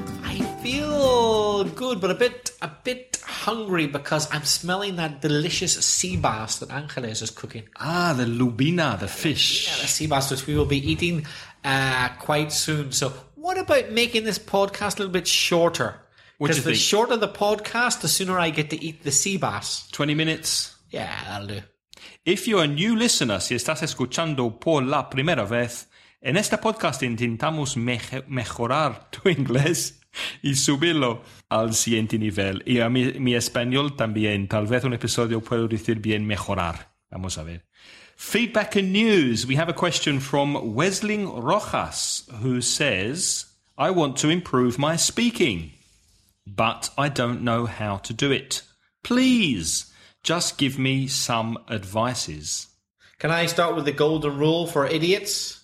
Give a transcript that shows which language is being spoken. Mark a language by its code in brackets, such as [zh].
[en] I feel good, but a bit hungry because I'm smelling that delicious sea bass that Angeles is cooking. Ah, the lubina, the fish. Yeah, the sea bass, which we will be eating quite soon. So what about making this podcast a little bit shorter? Because the shorter the podcast, the sooner I get to eat the sea bass. 20 minutes? Yeah, that'll do. If you're a new listener, [es] si estás escuchando por la primera vez, en este podcast intentamos mejorar tu inglés y subirlo al siguiente nivel. Y a mi español también. Tal vez un episodio puedo decir bien mejorar. Vamos a ver. [en] Feedback and news. We have a question from Wesling Rojas, who says, I want to improve my speaking, but I don't know how to do it. Please, just give me some advices. Can I start with the golden rule for idiots?